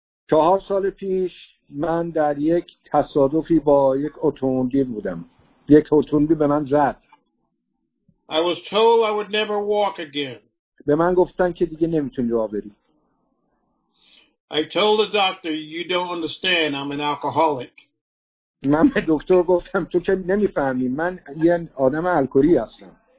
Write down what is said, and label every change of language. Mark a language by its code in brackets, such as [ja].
[fa] 4 سال پیش من در یک تصادفی با یک اتومبیل بودم. یک اتومبیل به من زد. [en] I was told I would never walk again. [fa] به من گفتن که دیگه نمیتونی راه بری. [en] I told the doctor, you don't understand, I'm an alcoholic. [fa] من به دکتر گفتم تو که نمیفهمی من یه آدم الکلی هستم.